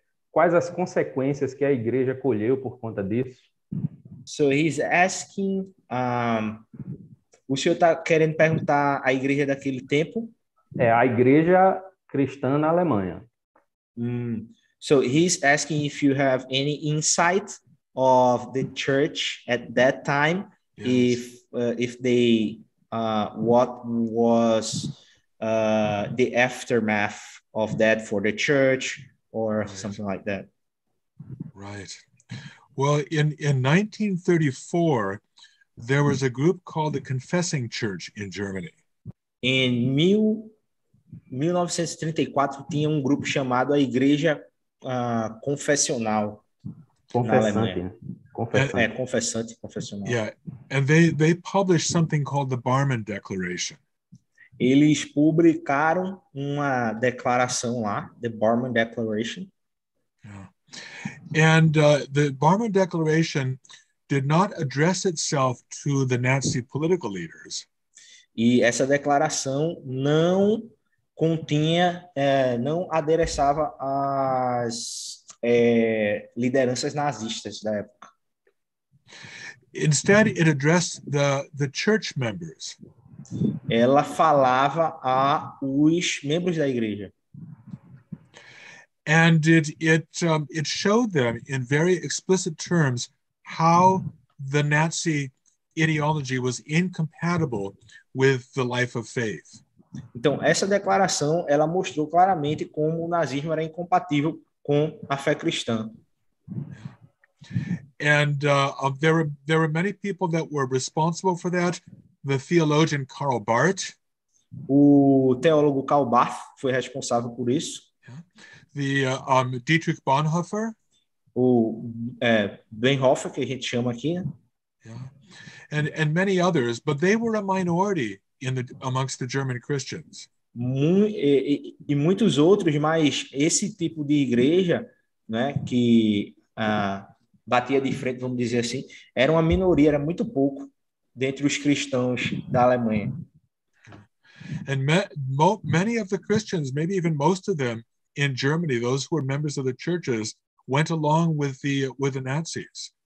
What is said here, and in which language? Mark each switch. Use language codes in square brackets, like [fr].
[pt] Quais as consequências que a igreja colheu por conta disso? [en] So he's asking, [pt] o senhor está querendo perguntar à igreja daquele tempo? A igreja cristã na Alemanha. [en] So he's asking if you have any insight of the church at that time, yes. if they what was the aftermath of that for the church or right. Something like that. Right. Well, in 1934 there was a group called the Confessing Church in Germany. In 1934 [pt] tinha um grupo chamado a Igreja Confessional. Confessante. [en] Yeah, and they published something called the Barman Declaration. [pt] Eles publicaram uma declaração lá, the Barman Declaration. [en] Yeah. And the Barman Declaration did not address itself to the Nazi political leaders. [pt] E essa declaração não continha, não adereçava as lideranças nazistas da época. [en] Instead, it addressed the church members. [pt] Ela falava a os membros da igreja. [en] And it showed them in very explicit terms how the Nazi ideology was incompatible with the life of faith. [pt] Então, essa declaração, ela mostrou claramente como o nazismo era incompatível com a fé cristã. [en] And there were many people that were responsible for that. The theologian Karl Barth. [pt] O teólogo Karl Barth foi responsável por isso. [en] Yeah. The Dietrich Bonhoeffer. [pt] O Bonhoeffer, que a gente chama aqui. [en] Yeah. And many others, but they were a minority in the amongst the German Christians. [pt] E muitos outros, mas esse tipo de igreja, né, que batia de frente, vamos dizer assim, era uma minoria, era muito pouco dentre os cristãos da Alemanha. [en] And many of the Christians, maybe even most of them in Germany, those who were members of the churches, went along with the Nazis.